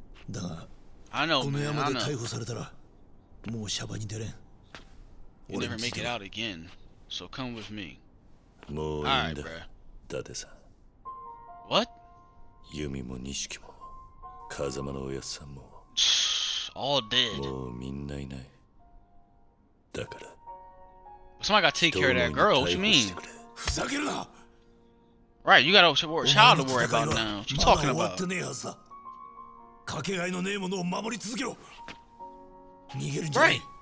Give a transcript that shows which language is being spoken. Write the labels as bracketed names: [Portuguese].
[Japanese] だが、この山で逮捕されたら、もうシャバに出れん。 [English] You never make it out again, so come with me. [Japanese] もういいんだ、伊達さん。 [English] What? [Japanese] ユミも錦も、風間のおやさんも、 [English] All dead. [Japanese] もうみんないない。だから、 [English] Somebody gotta take care of that girl, what you mean? [Japanese] ふざけるな。 [English] Right, you got a child to worry about now. What you talking about? Right.